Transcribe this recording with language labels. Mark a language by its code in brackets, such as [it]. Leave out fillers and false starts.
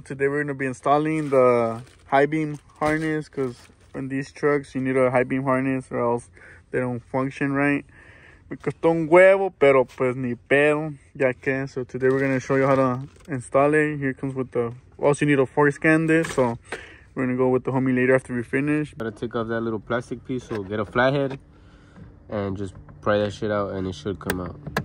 [en] Today we're gonna be installing the high beam harness, because on these trucks you need a high beam harness or else they don't function right. [es] Me costó un huevo, pero pues ni pedo, ya que. [en] So today we're gonna show you how to install it. Here comes with the, also you need a force scan this, so we're gonna go with the homie later after we finish. Gotta take off that little plastic piece, so get a flathead and just pry that shit out and it should come out.